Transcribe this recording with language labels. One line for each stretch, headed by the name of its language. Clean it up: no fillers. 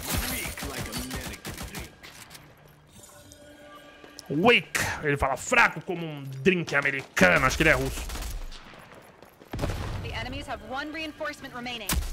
English: Weak like a medical drink. Weak.
Portuguese: Ele fala fraco como um drink americano. Acho que ele é russo.
English: The enemies have one reinforcement remaining.